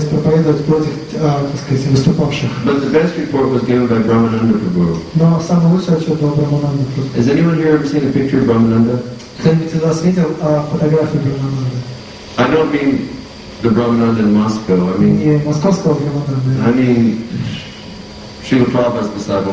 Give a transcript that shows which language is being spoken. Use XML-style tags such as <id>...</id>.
<en>But the best report was given by Brahmananda Prabhu.</en> <ru>Но самый лучший отчет был Брахмананда Прабху.</ru> <en>Has anyone here ever seen a picture of Brahmananda?</en> <ru>Кто-нибудь из вас видел фотографию Брахмананды?</ru> <en>I don't mean the Brahmananda in Moscow. I mean Srila Prabhupada's disciple</en>